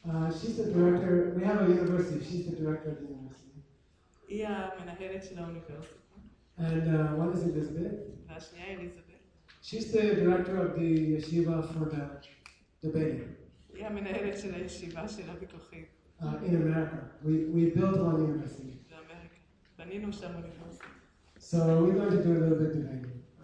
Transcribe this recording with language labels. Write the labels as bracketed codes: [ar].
[en] She's the director, we have a university, she's the director of the university. [he] היא המנהלת של האוניברסיטה. [en] And one is Elizabeth. [he] והשנייה היא אליזבת. [en] She's the director of the yeshiva for the debating. [he] היא המנהלת של הישיבה של הוויכוחים. [en] In America, we built one university. [he] באמריקה. בנינו שם אוניברסיטה. [en] So we're going to do a little bit debating.